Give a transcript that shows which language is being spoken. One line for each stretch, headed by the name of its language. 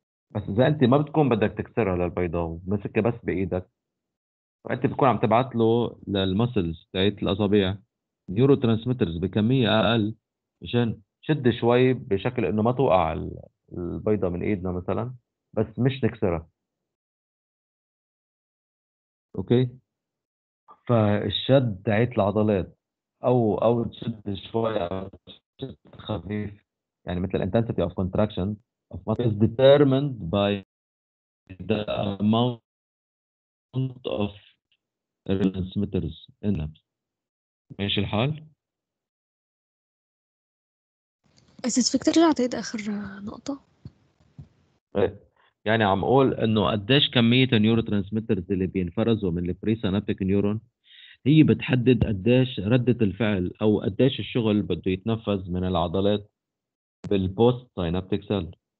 Arabic: بس اذا انت ما بتكون بدك تكسرها للبيضة ومسكها بس بإيدك، فانت بتكون عم تبعت له للمصل تعيد الأصابيع نيورو ترانسميترز بكمية أقل عشان شد شوي بشكل انه ما توقع البيضة من ايدنا مثلا، بس مش نكسرها. اوكي فالشد تعيد العضلات او تشد شوي شد خفيف، يعني مثل
English: intensity of contraction of muscle is determined by the amount of transmitters in them.
Arabic: ماشي الحال؟ أستاذ فيك ترجع تعيد آخر نقطة؟ يعني عم أقول إنه قديش كمية النيورو ترانسميترز اللي بينفرزوا من البريسينابتيك نيورون هي بتحدد قديش ردة الفعل أو قديش الشغل بده يتنفذ من العضلات بالبوست سينابتيك سيل.